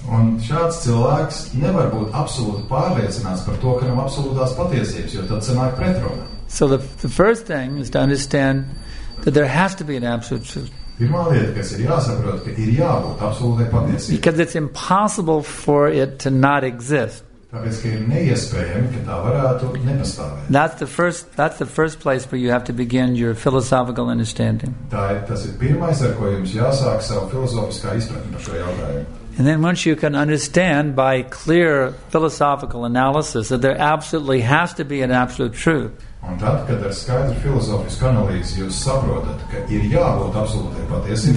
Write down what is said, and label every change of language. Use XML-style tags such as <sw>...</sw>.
<lv>Un šāds cilvēks nevar būt absolūti pārliecināts par to, ka nav absolūtās patiesības, jo tad sanāk pretrunā.</lv> <en>So the first thing is to understand that there has to be an absolute truth.</en> <lv>Pirmā lieta, kas ir jāsaprot, ka ir jābūt absolūtai patiesībai.</lv> <en>Because it's impossible for it to not exist.</en> <lv>Tāpēc, ka ir neiespējami, ka tā varētu nepastāvēt.</lv> <en>That's the first place where you have to begin your philosophical understanding.</en> <lv>Tas ir pirmais, ar ko jums jāsāk savu filozofiskā izpratni par šo jautājumu.</lv> <en>And then once you can understand by clear philosophical analysis that there absolutely has to be an absolute truth.</en> <lv>Un tad, kad ar skaidru filozofisku analīzi jūs saprotat, ka ir jābūt absolūtai patiesībai.</lv>